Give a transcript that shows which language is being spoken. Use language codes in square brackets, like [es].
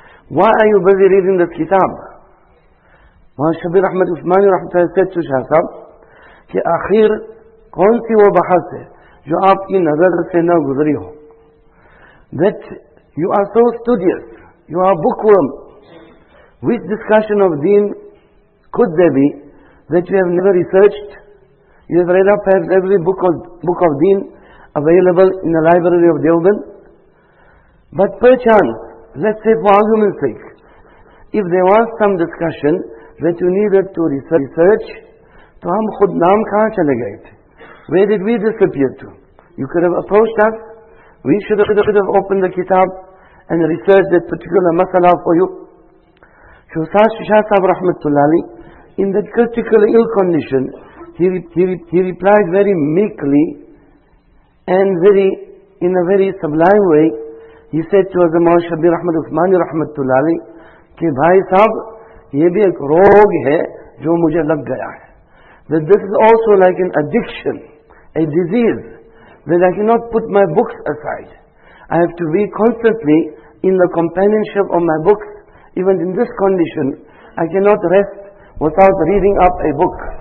[en] Why are you busy reading this kitab? Mawlana Shabbir Ahmad Usmani Rahmatullah said to Shah Sahib, [ur] کہ آخر کون سی وہ بحث ہے جو آپ کی نظر سے نہ گزری ہو. [en] That you are so studious, you are bookworm. Which discussion of deen could there be that you have never researched? You have read up perhaps every book of deen available in the library of Deoband. But perchance, let's say for argument's sake, if there was some discussion that you needed to research, [ur] تو ہم خود نام کہاں چلے گئے تھے. [en] Where did we disappear to? You could have approached us. We should have opened the kitab and researched that particular masala for you. So Shah Sahib Rahmatullahi, in that critical ill condition, he replied very meekly and in a very sublime way. He said to Hazrat Mawlana Shabbir Ahmad Usmani Rahmatullahi, [ur] کہ بھائی صاحب یہ بھی ایک روگ ہے جو مجھے لگ گیا ہے. [en] That this is also like an addiction, a disease, that I cannot put my books aside. I have to be constantly in the companionship of my books. Even in this condition, I cannot rest without reading up a book.